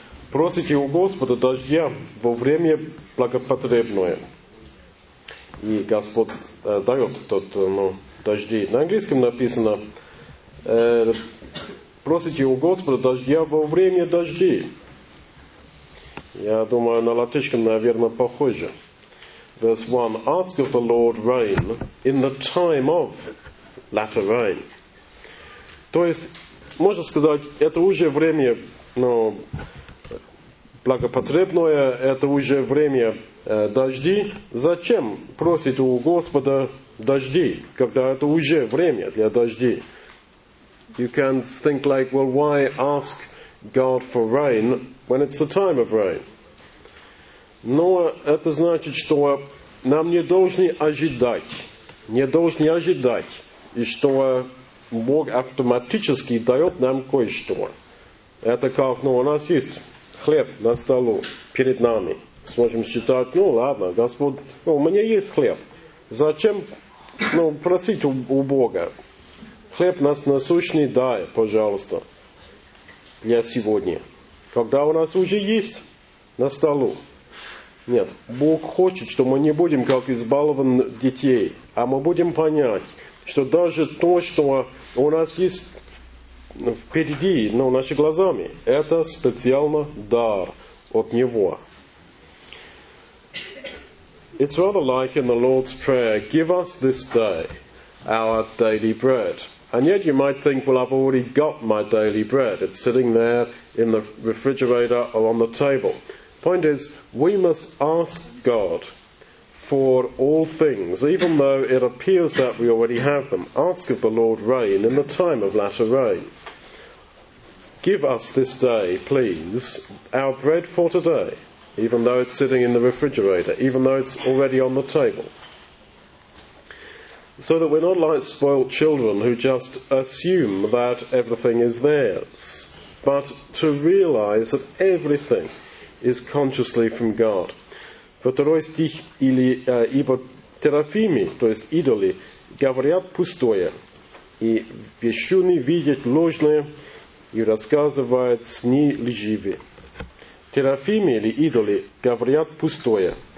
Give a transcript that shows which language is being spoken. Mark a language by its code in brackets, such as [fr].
[ru] Просите у Господа дождя во время благопотребное. И Господь дает тот, дожди. На английском написано, просите у Господа дождя во время дожди. Я думаю, на латышском, наверное, похоже. [en] Verse 1, ask of the Lord rain in the time of latter rain. [ru] То есть, можно сказать, это уже время, благопотребное, это уже время дожди. Зачем просить у Господа дожди, когда это уже время для дожди? [en] You can think like, well, why ask God for rain when it's the time of rain? [ru] Но это значит, что нам не должны ожидать, что Бог автоматически дает нам кое-что. Это как, у нас есть хлеб на столу перед нами. Сможем считать, Господь, у меня есть хлеб. Зачем просить у Бога? Хлеб нас насущный, дай, пожалуйста, для сегодня. Когда у нас уже есть на столу. Нет, Бог хочет, что мы не будем как избалованы детей, а мы будем понять, что даже то, что у нас есть впереди, нашими глазами, это специально дар от Него. [en] It's rather like in the Lord's Prayer, give us this day our daily bread. And yet you might think, well, I've already got my daily bread. It's sitting there in the refrigerator or on the table. Point is, we must ask God for all things, even though it appears that we already have them. Ask of the Lord rain in the time of latter rain. Give us this day, please, our bread for today, even though it's sitting in the refrigerator, even though it's already on the table. So that we're not like spoiled children who just assume that everything is theirs, but to realize that everything is consciously from God. [ru] Второй стих, или ибо терафимы, то есть идолы, говорят пустое, и вещуны видят ложное, и рассказывают сны лживые. Терафимы, или идолы, говорят пустое.